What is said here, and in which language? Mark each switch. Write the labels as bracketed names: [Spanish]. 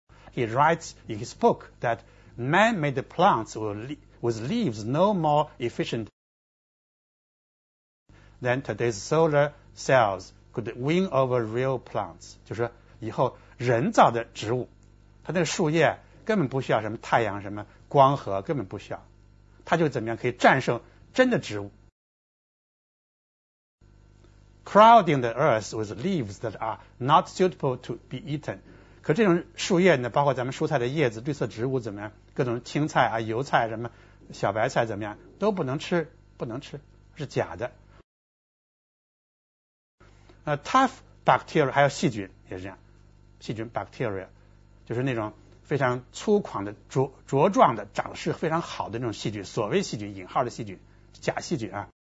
[English] He writes in his book that man-made plants with leaves no more efficient. Then today's solar cells could win over real plants. [Chinese] 就是说以后人造的植物，它那个树叶根本不需要什么太阳什么光合，根本不需要，它就怎么样可以战胜真的植物。 [English] crowding the earth with leaves that are not suitable to be eaten. [Chinese] 可这种树叶呢，包括咱们蔬菜的叶子、绿色植物怎么样？各种青菜啊、油菜什么、小白菜怎么样，都不能吃，不能吃，是假的。 [English] Tough bacteria [Chinese] 还有细菌也是这样，细菌 bacteria 就是那种非常粗犷的、茁壮的、长势非常好的那种细菌，所谓细菌（引号的细菌）假细菌啊。